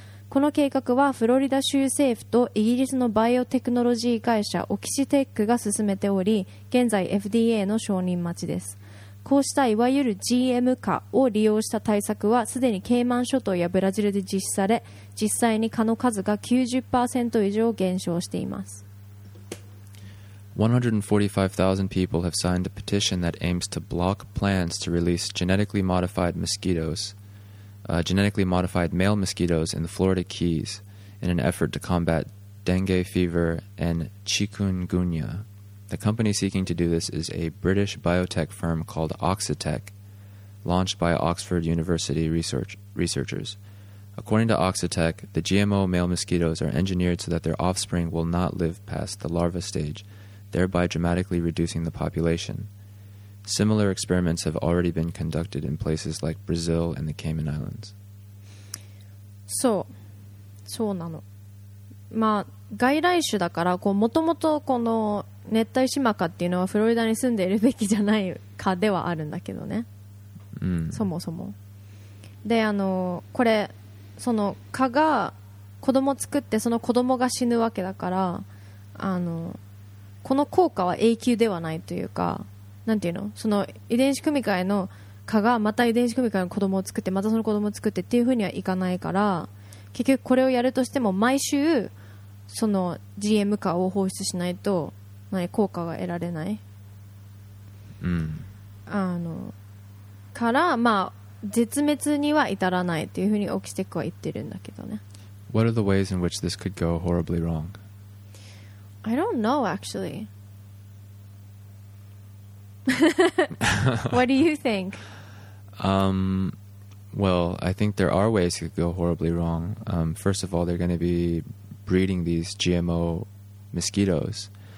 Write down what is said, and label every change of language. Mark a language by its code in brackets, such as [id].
[ja] この計画はフロリダ州政府とイギリスのバイオテクノロジー会社オキシテックが進めており、現在 FDA の承認待ちです。こうしたいわゆる GM 化を利用した対策はすでにケイマン諸島やブラジルで実施され、実際に蚊の数が 90% 以上減少しています。 [en] 145,000 people have signed a petition that aims to block plans to release genetically modified mosquitoes genetically modified male mosquitoes in the Florida Keys in an effort to combat dengue fever and chikungunya. The company seeking to do this is a British biotech firm called Oxitec, launched by Oxford University researchers. According to Oxitec, the GMO male mosquitoes are engineered so that their offspring will not live past the larva stage, thereby dramatically reducing the population. Similar experiments have already been conducted in places like Brazil and the Cayman Islands. [ja] So, so なの。まあ、外来種だから、こう、もともとこの熱帯シマカっていうのはフロリダに住んでいるべきじゃないかではあるんだけどね。そもそも。で、あの、これ、その蚊が子供作ってその子供が死ぬわけだから、あのこの効果は永久ではないというか、なんていうの、その遺伝子組み換えの蚊がまた遺伝子組み換えの子供を作ってまたその子供を作ってっていうふうにはいかないから、結局これをやるとしても毎週その GM 蚊を放出しないと効果が得られない、うん、あのからまあ絶滅には至らないというふうにオキシテックは言ってるんだけどね。 [en] What are the ways in which this could go horribly wrong? I don't know actually. What do you think? Well, I think there are ways it could go horribly wrong. First of all, they're going to be breeding these GMO mosquitoes.